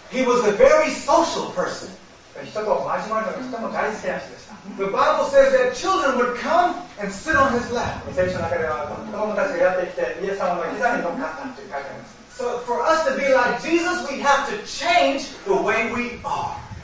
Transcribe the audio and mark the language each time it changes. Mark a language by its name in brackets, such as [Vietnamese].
[English] He was a very social person. [Japanese] 人と交わるのがとても大好きな人でした。 [English] The Bible says that children would come and sit on his lap. [Japanese] 聖書の中では子供たちがやってきてイエス様の膝に乗っかったと書いてあります。 [English] So for us to be like Jesus, we have to change the way we are.